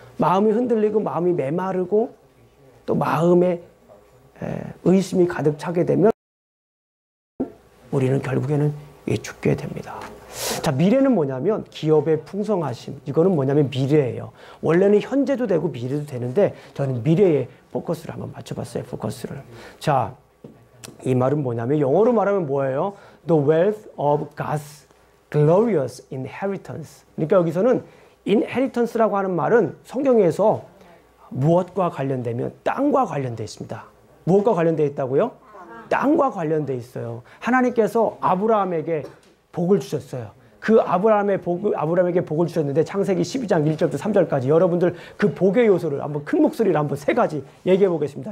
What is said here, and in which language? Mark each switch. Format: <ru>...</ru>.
<ko>마음이 흔들리고 마음이 메마르고 또 마음에 의심이 가득 차게 되면 우리는 결국에는 죽게 됩니다. 자, 미래는 뭐냐면 기업의 풍성하심. 이거는 뭐냐면 미래예요. 원래는 현재도 되고 미래도 되는데 저는 미래에 포커스를 한번 맞춰봤어요. 포커스를. 자, 이 말은 뭐냐면 영어로 말하면 뭐예요?</ko> <en>The wealth of God's glorious inheritance.</en> <ko>그러니까 여기서는 inheritance라고 하는 말은 성경에서 무엇과 관련되면 땅과 관련되어 있습니다. 무엇과 관련되어 있다고요? 땅과 관련되어 있어요. 하나님께서 아브라함에게 복을 주셨어요. 그 아브라함의 복을, 아브라함에게 복을 주셨는데 창세기 12장 1절부터 3절까지 여러분들 그 복의 요소를 한번 큰 목소리로 한번 세 가지 얘기해 보겠습니다.</ko>